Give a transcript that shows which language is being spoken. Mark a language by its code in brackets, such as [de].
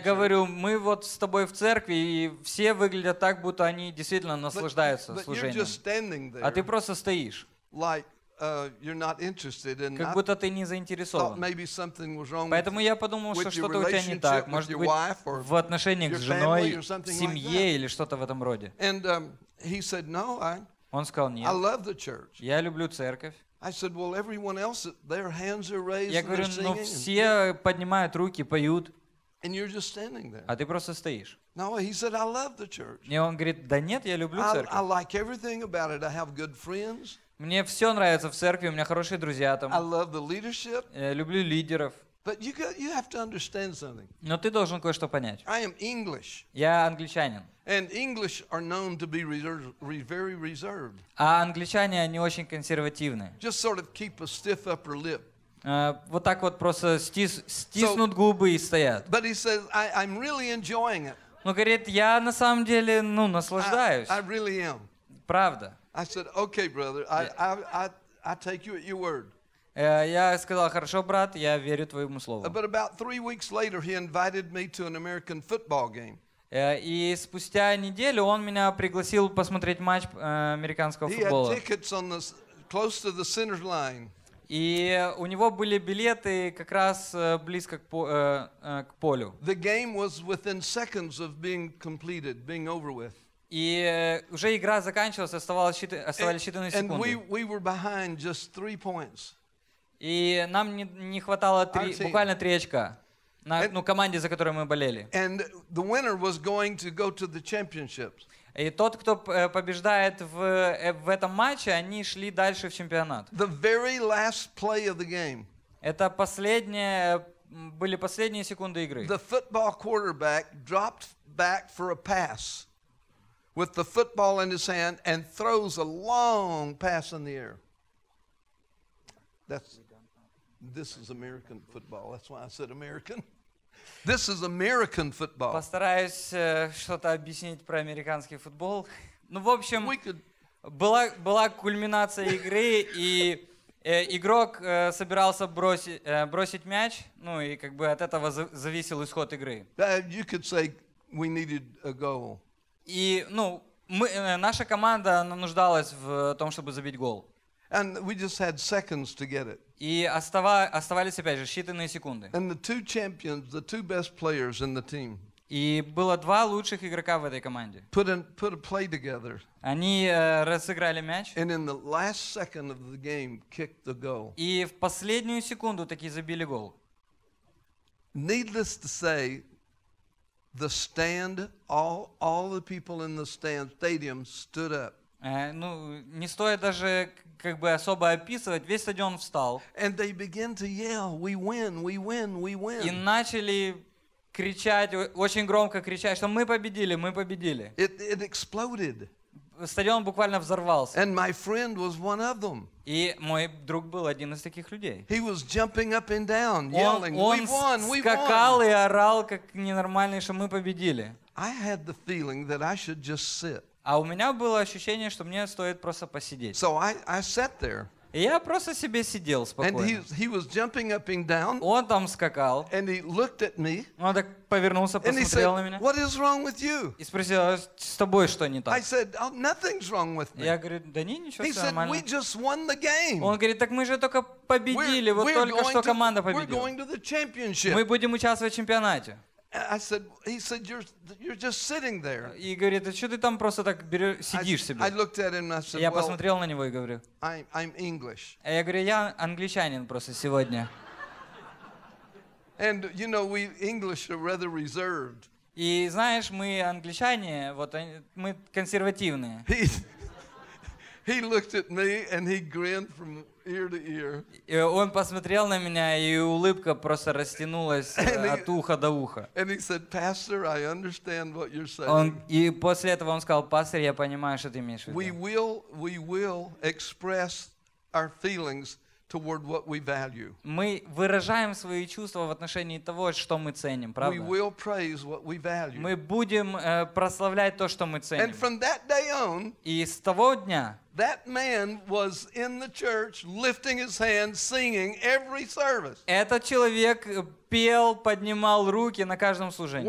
[ru] говорю, мы вот с тобой в церкви, и все выглядят так, будто они действительно наслаждаются служением. А ты просто стоишь. [en] You're not interested in. [ru] Как будто ты не заинтересован. [en] Maybe something was wrong. [ru] Поэтому я подумал, что что-то у тебя не так. Может быть, в отношениях с женой, семье или что-то в этом роде. [en] And he said, "No, I." [ru] Он сказал, нет. [en] I love the church. [ru] Я люблю церковь. [en] I said, well, everyone else, their hands are raised. [ru] Я говорю, ну все поднимают руки, поют. [en] And you're just standing there. [ru] А ты просто стоишь. [en] No, he said, I love the church. [ru] И он говорит, да нет, я люблю церковь. [en] I like everything about it. I have good friends. [ru] Мне все нравится в церкви, у меня хорошие друзья там. [en] I love the leadership. [ru] Я люблю лидеров. [en] But you have to understand something. [ru] Но ты должен кое-что понять. [en] I am English. [ru] Я англичанин. [en] And English are known to be very reserved. [ru] А англичане они очень консервативные. [en] Just sort of keep a stiff upper lip. [ru] Вот так вот просто стиснут so, губы и стоят. [en] But he says, I'm really enjoying it. [ru] Но говорит, я на самом деле, ну, наслаждаюсь. [en] I really am. [ru] Правда. [en] I said, okay, brother, I take you at your word. [ru] Я сказал, хорошо, брат, я верю твоему слову. [en] But about 3 weeks later, he invited me to an American football game. [ru] И спустя неделю он меня пригласил посмотреть матч американского футбола. [en] He had tickets on the close to the center line. [ru] И у него были билеты как раз близко к полю. [en] The game was within seconds of being completed, being over with. [ru] И уже игра заканчивалась, оставались считанные секунды. [en] And we were behind just 3 points. [ru] И нам не хватало буквально 3 очка на команде, за которую мы болели. [en] And the winner was going to go to the championships. [ru] И тот, кто побеждает в этом матче, они шли дальше в чемпионат. [en] The very last play of the game. [ru] Это последние секунды игры. [en] The football quarterback dropped back for a pass with the football in his hand and throws a long pass in the air. This is American football. That's why I said American. This is American football. [ru] Постараюсь что-то объяснить про американский футбол. Ну, в общем, была кульминация игры, и игрок собирался бросить мяч, ну и как бы от этого зависел исход игры. [en] You could say we needed a goal. [ru] И, ну, наша команда нуждалась в том, чтобы забить гол. [en] And we just had seconds to get it. [ru] И оставались опять же считанные секунды. [en] And the two champions, the two best players in the team. [ru] И было два лучших игрока в этой команде. [en] Put a play together. [ru] Они разыграли мяч. [en] And in the last second of the game, kicked the goal. [ru] И в последнюю секунду таки забили гол. [en] Needless to say, the stand, all the people in the stadium stood up. [ru] Ну, не стоит даже как бы особо описывать, весь стадион встал. [en] And they began to yell, we win, we win, we win. [ru] И начали кричать, очень громко кричать, что мы победили, мы победили. [en] It exploded. [ru] Стадион буквально взорвался. [en] And my friend was one of them. [ru] И мой друг был один из таких людей. [en] He was jumping up and down, yelling, we won, we won. [ru] Он скакал и орал, как ненормальный, что мы победили. [en] I had the feeling that I should just sit. [ru] А у меня было ощущение, что мне стоит просто посидеть. [en] So I sat there. [ru] И я просто себе сидел спокойно. [en] And he was jumping up and down. [ru] Он там скакал. [en] And he looked at me. [ru] Он так повернулся, посмотрел [en] and he said, [ru] на меня. [en] What is wrong with you? [ru] И спросил, а с тобой что не так? [en] I said, oh, nothing's wrong with me. [ru] Я говорю, да не, ничего, [en] he [ru] все [en] said, [ru] нормально. [en] We just won the game. [ru] Он говорит, так мы же только победили, [en] we're, [ru] вот только что команда победила. [en] We're going to the championship. [ru] Мы будем участвовать в чемпионате. [en] I said, he said, you're just sitting there. [ru] И говорит, а что ты там просто так сидишь себе? [en] I looked at him and I said, [ru] я посмотрел на него и говорю, [en] I'm English. [ru] А я говорю, я англичанин просто сегодня. [en] And you know, we English are rather reserved. [ru] И знаешь, мы англичане, вот мы консервативные. [en] He looked at me and he grinned from ear to ear. [ru] Он посмотрел на меня, и улыбка просто растянулась от уха до уха. [en] And he said, "Pastor, I understand what you're saying." [ru] И после этого он сказал, пастор, я понимаю, что ты имеешь в виду. [en] We will express our feelings toward what we value. [ru] Мы выражаем свои чувства в отношении того, что мы ценим, правда? [en] We will praise what we value. [ru] Мы будем прославлять то, что мы ценим. [en] And from that day on. [ru] И с того дня. [en] That man was in the church lifting his hand, singing every service. [ru] Этот человек пел, поднимал руки на каждом служении.